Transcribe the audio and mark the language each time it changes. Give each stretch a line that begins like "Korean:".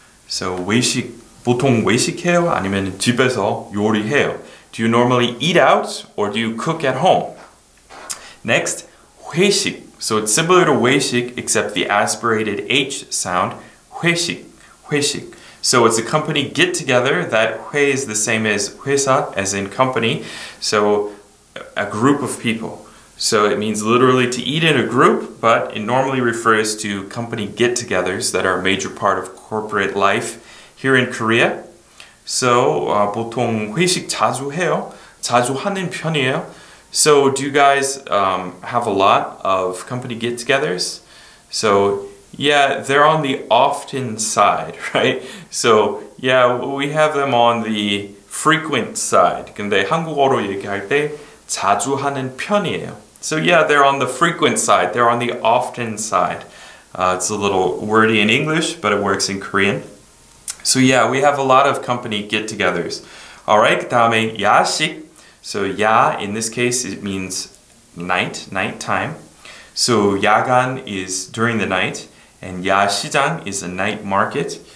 Korean: So 외식, 보통 외식해요? 아니면 집에서 요리해요?
English: Do you normally eat out or do you cook at home? Next, 회식. So it's similar to 외식 except the aspirated H sound, 회식, 회식. So it's a company get together. That 회 is the same as 회사, as in company. So a group of people. So it means literally to eat in a group, but it normally refers to company get togethers that are a major part of corporate life here in Korea.
Korean: So, 보통 회식 자주 해요. 자주 하는 편이에요.
English: So, do you guys have a lot of company get-togethers? So, yeah, they're on the often side, right? So, yeah, we have them on the frequent side.
Korean: 근데 한국어로 얘기할 때 자주 하는 편이에요.
English: So, yeah, they're on the frequent side. They're on the often side. It's a little wordy in English, but it works in Korean. So yeah, we have a lot of company get-togethers. All right, 다음에 야식. So 야, in this case, it means night, nighttime. So 야간 is during the night, and 야시장 is a night market.